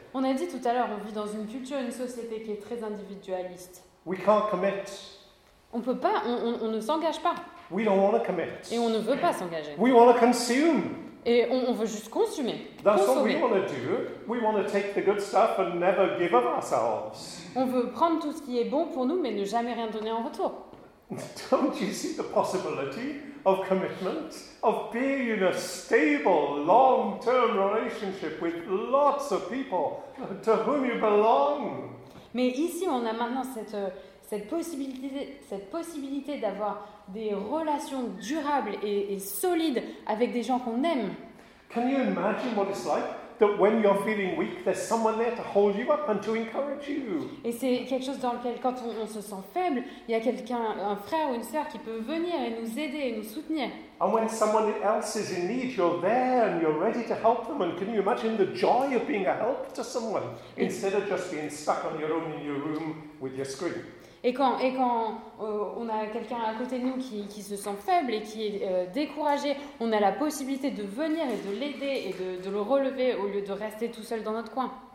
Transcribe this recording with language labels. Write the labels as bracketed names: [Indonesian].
[French] On a dit tout à l'heure, on vit dans une culture, une société qui est très individualiste. [English] We can't commit. [French] On peut pas, on ne s'engage pas. [English] We don't want to commit. [French] Et on ne veut pas s'engager. [English] We want to consume. [French] Et on veut juste consommer. [English] That's what we want to do. We want to take the good stuff and never give up ourselves. [French] On veut prendre tout ce qui est bon pour nous, mais ne jamais rien donner en retour. [English] Don't you see the possibility of commitment, of being in a stable, long-term relationship with lots of people to whom you belong? [French] Mais ici, on a maintenant cette possibilité d'avoir des relations durables et solides avec des gens qu'on aime. [English] Can you imagine what it's like that when you're feeling weak, there's someone there to hold you up and to encourage you? [French] Et c'est quelque chose dans lequel quand on se sent faible, il y a quelqu'un, un frère ou une sœur qui peut venir et nous aider et nous soutenir. [English] And when someone else is in need, you're there and you're ready to help them. And can you imagine the joy of being a help to someone instead of just being stuck on your own in your room with your screen? [French] Et quand on a quelqu'un à côté de nous qui se sent faible et qui est découragé, on a la possibilité de venir et de l'aider et de le relever au lieu de rester tout seul dans notre coin.